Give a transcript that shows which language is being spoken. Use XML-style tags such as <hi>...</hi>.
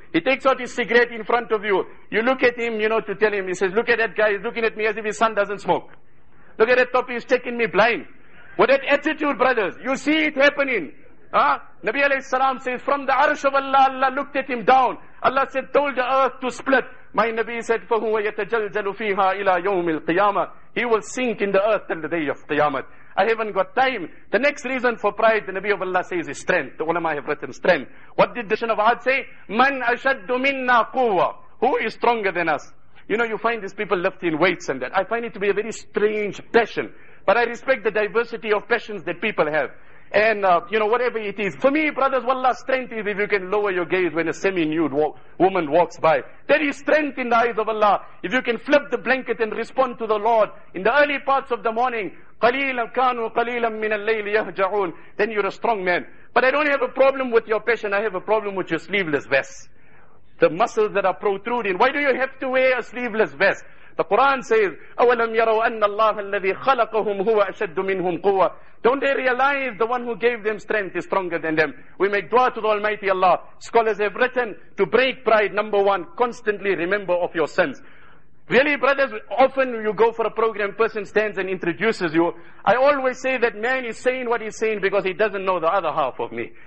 <en>He takes out his cigarette in front of you. You look at him, you know, to tell him. He says, look at that guy. He's looking at me as if his son doesn't smoke. Look at that top. He's taking me blind. What that attitude, brothers. You see it happening. Huh? Nabi alayhi salam says, from the arsh of Allah, Allah looked at him down. Allah said, told the earth to split. My Nabi said,</en> <ar>فَهُوَ يَتَجَلْجَلُ فِيهَا إِلَى يَوْمِ الْقِيَامَةِ.</ar> <en>He will sink in the earth till the day of Qiyamah. I haven't got time. The next reason for pride, the Nabi of Allah says, is strength. The ulama have written strength. What did the Shun of Ad say?</en> <ar>مَنْ أَشَدُّ مِنَّا قُوَّةً.</ar> <en>Who is stronger than us? You know, you find these people lifting weights and that. I find it to be a very strange passion. But I respect the diversity of passions that people have. And, you know, whatever it is. For me, brothers, wallah, strength is if you can lower your gaze when a semi-nude woman walks by. There is strength in the eyes of Allah. If you can flip the blanket and respond to the Lord in the early parts of the morning,</en> <ar>قَلِيلًا كَانُوا قَلِيلًا مِنَ اللَّيْلِ يَهْجَعُونَ,</ar> <en>then you're a strong man. But I don't have a problem with your passion. I have a problem with your sleeveless vest. The muscles that are protruding. Why do you have to wear a sleeveless vest? The Quran says,</en> <ar>أَوَلَمْ يَرَوْا أَنَّ اللَّهَ الَّذِي خَلَقَهُمْ هُوَ أَشَدُّ مِنْهُمْ قُوَّةً.</ar> <en>Don't they realize the one who gave them strength is stronger than them? We make dua to the Almighty Allah. Scholars have written to break pride, number one, constantly remember of your sins. Really, brothers, often you go for a program, person stands and introduces you. I always say that man is saying what he's saying because he doesn't know the other half of me.</en>